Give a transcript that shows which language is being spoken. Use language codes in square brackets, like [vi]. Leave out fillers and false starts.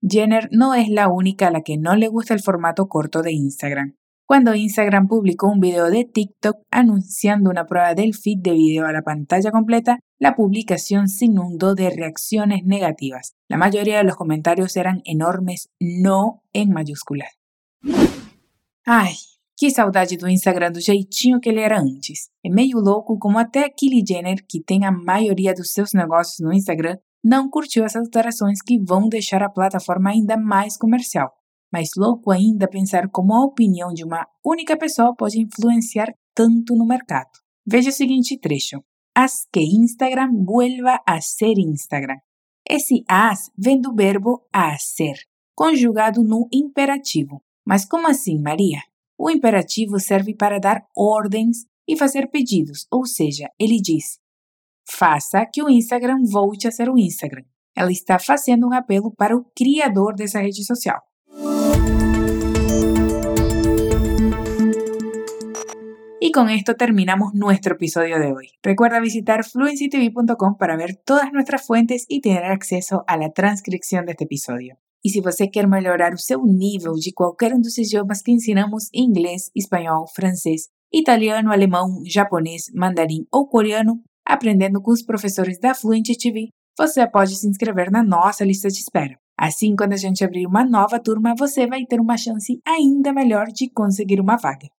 [es] Jenner no es la única a la que no le gusta el formato corto de Instagram. Cuando Instagram publicó un video de TikTok anunciando una prueba del feed de video a la pantalla completa, la publicación se inundó de reacciones negativas. La mayoría de los comentarios eran enormes, no en mayúsculas. ¡Ay! [pt] Qué saudade do Instagram do jeitinho que ele era antes. É meio louco como até a Kylie Jenner, que tem a maioria dos seus negócios no Instagram, não curtiu essas alterações que vão deixar a plataforma ainda mais comercial. Mais louco ainda pensar como a opinião de uma única pessoa pode influenciar tanto no mercado. Veja o seguinte trecho. [es] Haz que Instagram vuelva a ser Instagram. [pt] Esse as vem do verbo hacer, conjugado no imperativo. Mas como assim, Maria? O imperativo serve para dar ordens e fazer pedidos, ou seja, ele diz: faça que o Instagram volte a ser o Instagram. Ela está fazendo um apelo para o criador dessa rede social. [es] Y con esto terminamos nuestro episodio de hoy. Recuerda visitar fluencytv.com para ver todas nuestras fuentes y tener acceso a la transcripción de este episodio. [pt] E se você quer melhorar o seu nível de qualquer um dos idiomas que ensinamos, inglês, espanhol, francês, italiano, alemão, japonês, mandarim ou coreano, aprendendo com os professores da Fluent TV, você pode se inscrever na nossa lista de espera. Assim, quando a gente abrir uma nova turma, você vai ter uma chance ainda melhor de conseguir uma vaga.